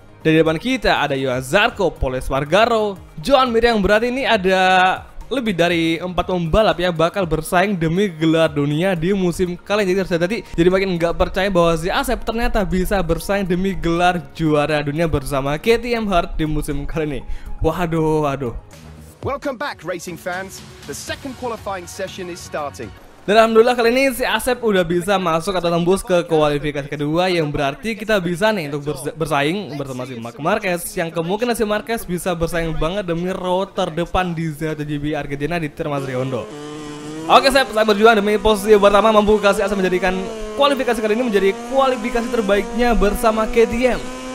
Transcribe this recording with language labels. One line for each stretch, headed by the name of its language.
Indonesian: Dan di depan kita ada Juan Zarco, Pol Espargaró, Joan Mir, yang berarti ini ada lebih dari 4 pembalap yang bakal bersaing demi gelar dunia di musim kali ini. Jadi makin nggak percaya bahwa si Asep ternyata bisa bersaing demi gelar juara dunia bersama KTM Hart di musim kali ini. Waduh.
English: Welcome back, racing fans. The second qualifying session is starting.
Indonesian: Dan alhamdulillah kali ini si Asep udah bisa masuk atau tembus ke kualifikasi kedua, yang berarti kita bisa nih untuk bersaing bersama si Marc Marquez, yang kemungkinan si Marquez bisa bersaing banget demi row terdepan di MotoGP Argentina di Hermann Srihondo. Oke, Asep, saya berjuang demi posisi pertama, mampu kasih Asep menjadikan kualifikasi kali ini menjadi kualifikasi terbaiknya bersama KTM.